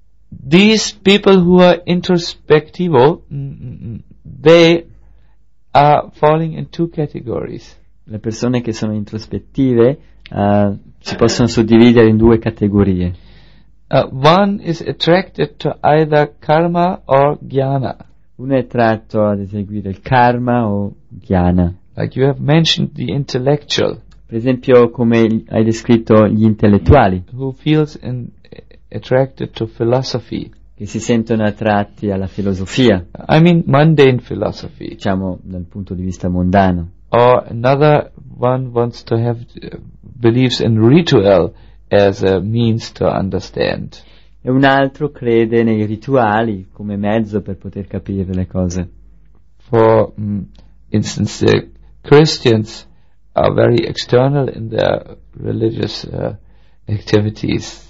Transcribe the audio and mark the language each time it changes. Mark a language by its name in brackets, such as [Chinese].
[English] These people who are introspectivo, they are falling in two categories. [Italian] Le persone che sono introspettive si possono suddividere in due categorie. [English] One is attracted to either karma or jnana. [Italian] Uno è attratto ad eseguire il karma o jnana. [English] Like you have mentioned the intellectual. [Italian] Per esempio, come hai descritto gli intellettuali. [English] Who feels attracted to philosophy. [Italian] Che si sentono attratti alla filosofia. [English] I mean mundane philosophy. [Italian] Diciamo dal punto di vista mondano. [English] Or another one wants to have believes in ritual as a means to understand. [Italian] E un altro crede nei rituali come mezzo per poter capire le cose. [English] for instance, the Christians are very external in their religious activities.